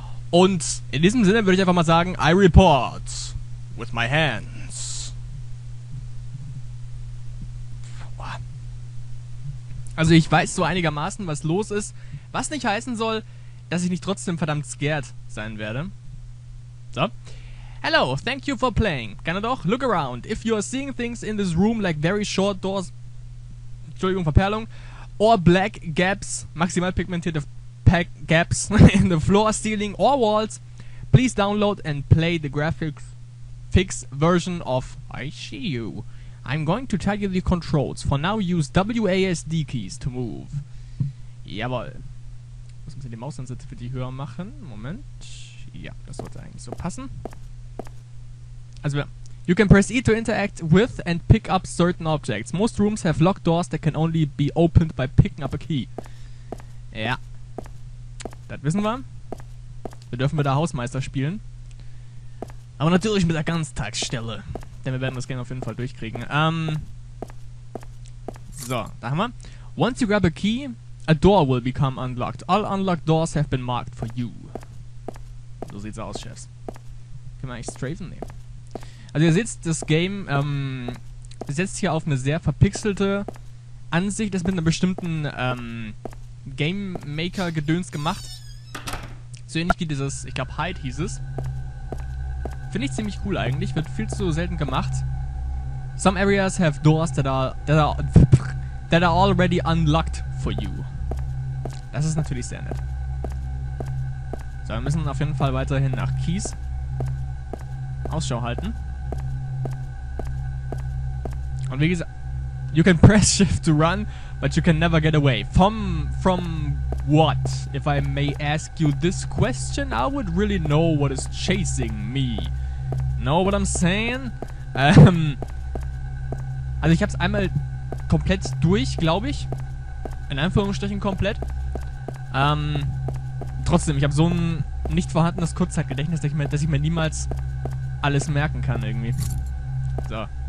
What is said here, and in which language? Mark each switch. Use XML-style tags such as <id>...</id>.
<de>Und in diesem Sinne würde ich einfach mal sagen,</de> <en>I report with my hand.</en> <de>Also ich weiß so einigermaßen, was los ist. Was nicht heißen soll, dass ich nicht trotzdem verdammt scared sein werde.</de> <en>So. Hello, thank you for playing.</en> <de>Kann er doch?</de> <en>Look around. If you are seeing things in this room like very short doors...</en> <de>Entschuldigung, Verperlung.</de> <en>Or black gaps,</en> <de>maximal pigmentierte</de> <en>gaps in the floor, ceiling or walls, please download and play the graphics fix version of I See You. I'm going to tell you the controls. For now, use WASD keys to move. Jawohl.</en> <de>Muss man die Mausansätze für die höher machen. Moment. Ja, das sollte eigentlich so passen.</de> <en>Also, you can press E to interact with and pick up certain objects. Most rooms have locked doors that can only be opened by picking up a key.</en> <de>Ja. Das wissen wir. Wir dürfen mit der Hausmeister spielen. Aber natürlich mit der Ganztagsstelle. Denn wir werden das gerne auf jeden Fall durchkriegen. So, da haben wir.</de> <en>Once you grab a key, a door will become unlocked. All unlocked doors have been marked for you.</en> <de>So sieht's aus, Chefs. Können wir eigentlich strafen? Nee. Also ihr seht, das Game setzt hier auf eine sehr verpixelte Ansicht. Das ist mit einem bestimmten Game Maker Gedöns gemacht. So ähnlich wie dieses, ich glaube Hide hieß es. Finde ich ziemlich cool eigentlich, wird viel zu selten gemacht.</de> <en>Some areas have doors that are already unlocked for you.</en> <de>Das ist natürlich sehr nett. So, wir müssen auf jeden Fall weiterhin nach Keys Ausschau halten. Und wie gesagt,</de> <en>you can press shift to run, but you can never get away. From what? If I may ask you this question, I would really know what is chasing me. Know what I'm saying?</en> <de>Also ich hab's einmal komplett durch, glaube ich. In Anführungsstrichen komplett. Trotzdem, ich habe so ein nicht vorhandenes Kurzzeitgedächtnis, dass ich mir niemals alles merken kann irgendwie. So.</de>